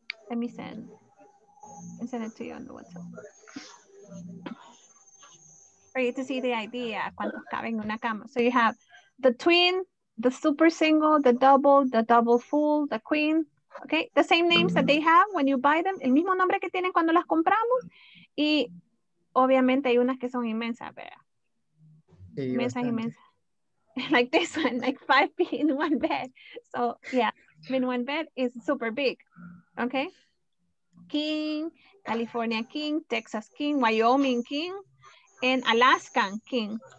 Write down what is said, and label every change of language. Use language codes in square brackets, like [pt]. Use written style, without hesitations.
[en] Let me send and send it to you on the WhatsApp. For you to see the idea, [es] cuántos caben en una cama. [en] So you have the twin, the super single, the double full, the queen. Okay, the same names that they have when you buy them. [es] El mismo nombre que tienen cuando las compramos. Y obviamente hay unas que son inmensas, ¿verdad? Inmensas, inmensas. [en] Like this one, like 5 feet in one bed. So yeah, in one bed is super big. Okay. King, California King, Texas King, Wyoming King, and Alaskan King.